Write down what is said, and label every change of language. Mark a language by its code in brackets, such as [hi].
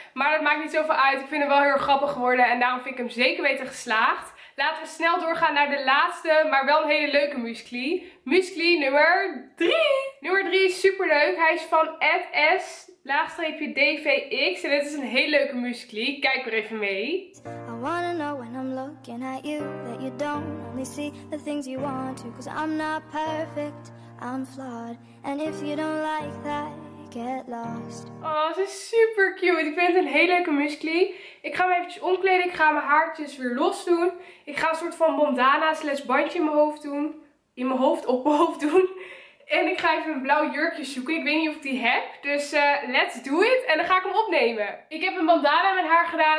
[nl] Maar dat maakt niet zoveel uit, ik vind hem wel heel grappig geworden en daarom vind ik hem zeker beter geslaagd. Laten we snel doorgaan naar de laatste, maar wel een hele leuke Musical.ly. Musical.ly nummer 3! Nummer 3 is super leuk, hij is van @s-dvx en dit is een hele leuke Musical.ly. Kijk er even mee. [en] I wanna know when I'm looking at you, that you don't only see the things you want to, cause I'm not perfect. I'm flawed. And if you don't like that, get lost. [nl] Oh, ze is super cute. Ik vind het een hele leuke Musical.ly. Ik ga me eventjes omkleden. Ik ga mijn haartjes weer los doen. Ik ga een soort van bandana / bandje in mijn hoofd doen. In mijn hoofd, op mijn hoofd doen. En ik ga even een blauw jurkje zoeken. Ik weet niet of ik die heb. Dus [en] let's do it. [nl] En dan ga ik hem opnemen. Ik heb een bandana in mijn haar gedaan.